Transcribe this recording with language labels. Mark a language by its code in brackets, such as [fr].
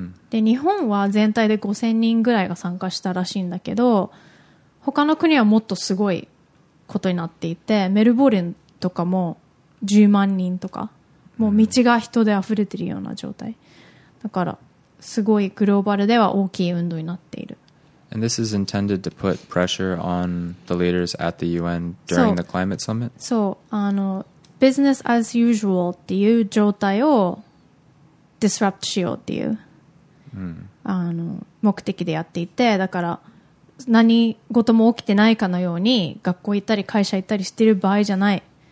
[ja] で、日本は全体で5000人ぐらいが参加したらしいんだけど、他の国はもっとすごいことになっていて、メルボルンとかも10万人とか、もう道が人で溢れてるような状態だから、すごいグローバルでは大きい運動になっている。 [en] And this is intended to put pressure on the leaders at the UN during the climate summit? [ja] そう、 [en] business as usual [ja] っていう状態をディスラプトしようっていう、目的でやっていて、だから何事も起きてないかのように学校行ったり会社行ったりしてる場合じゃない、